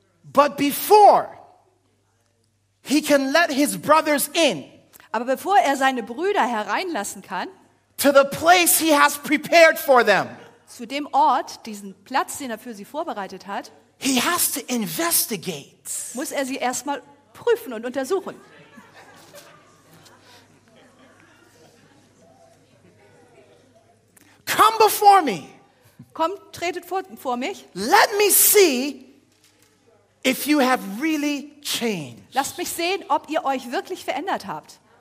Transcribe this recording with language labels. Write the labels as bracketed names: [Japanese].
[English] But before he can let his brothers in, [German] aber bevor er seine Brüder hereinlassen kann, [English] to the place he has prepared for them, [German] zu dem Ort, diesen Platz, den er für sie vorbereitet hat, [English] he has to investigate, [German] muss er sie erstmal prüfen und untersuchen. [English] Come before me. [German] Kommt, tretet vor mich. [English] Let me see if you have really changed. [German] Lasst mich sehen, ob ihr euch wirklich verändert habt.